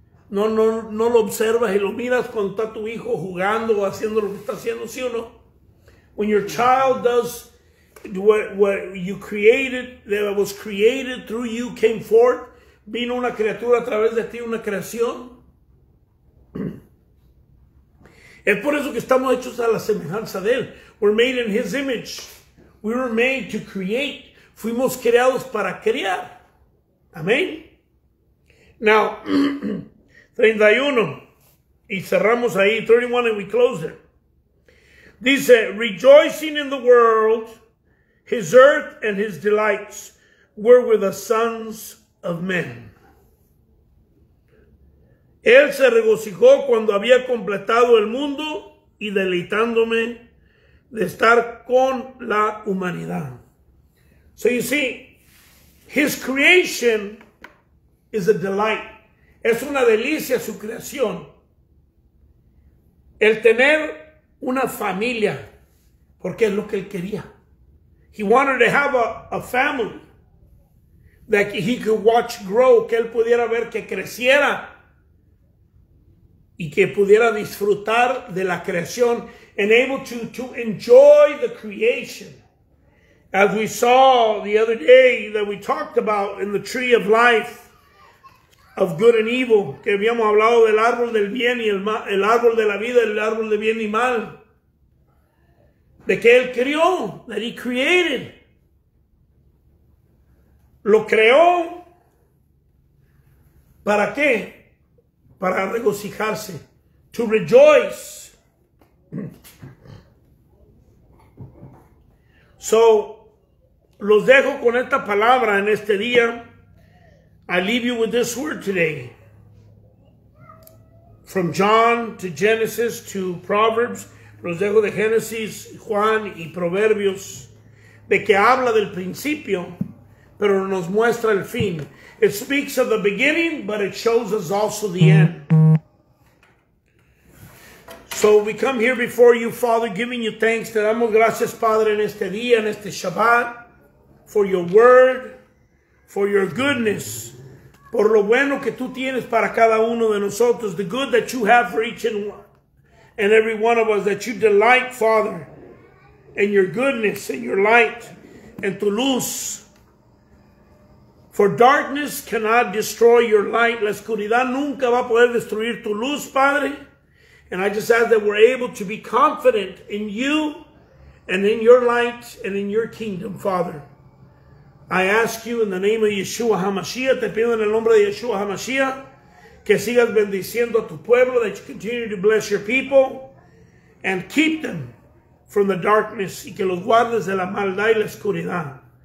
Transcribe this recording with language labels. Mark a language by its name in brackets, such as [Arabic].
[Spanish] No lo observas y lo miras cuando está tu hijo jugando o haciendo lo que está haciendo, ¿sí o no? [English] When your child does what you created, that was created through you, came forth, [Spanish] vino una criatura a través de ti, una creación. Es por eso que estamos hechos a la semejanza de él. [English] We're made in his image. We were made to create. [Spanish] Fuimos creados para crear. Amén. Now, 31. Y cerramos ahí. [English] 31 and we close it. Dice, rejoicing in the world, his earth and his delights were with the sons of men. [Spanish] Él se regocijó cuando había completado el mundo y deleitándome de estar con la humanidad. [English] So you see, his creation is a delight. [Spanish] Es una delicia su creación. El tener una familia, porque es lo que él quería. [English] He wanted to have a family that he could watch grow, [Spanish] que él pudiera ver que creciera y que pudiera disfrutar de la creación. [English] And able to enjoy the creation. As we saw the other day that we talked about in the tree of life of good and evil. [Spanish] Que habíamos hablado del árbol del bien y el árbol de la vida, el árbol de bien y mal. De que él creó, [English] that he created. [Spanish] Lo creó. ¿Para qué? Para regocijarse. [English] To rejoice. [Spanish] So, los dejo con esta palabra en este día. [English] I leave you with this word today. From John to Genesis to Proverbs. [Spanish] Los dejo de Génesis, Juan y Proverbios. De que habla del principio, pero nos muestra el fin. [English] It speaks of the beginning, but it shows us also the end. So we come here before you, Father, giving you thanks. [Spanish] Te damos gracias, Padre, en este día, en este Shabbat, [English] for your word, for your goodness, [Spanish] por lo bueno que tú tienes para cada uno de nosotros, [English] the good that you have for each and every one of us, that you delight, Father, in your goodness, in your light, and [Spanish] tu luz. [English] For darkness cannot destroy your light. [Spanish] La oscuridad nunca va a poder destruir tu luz, Padre. [English] And I just ask that we're able to be confident in you and in your light and in your kingdom, Father. I ask you in the name of Yeshua HaMashiach, [Spanish] te pido en el nombre de Yeshua HaMashiach, que sigas bendiciendo a tu pueblo, [English] that you continue to bless your people and keep them from the darkness [Spanish] y que los guardes de la maldad y la oscuridad.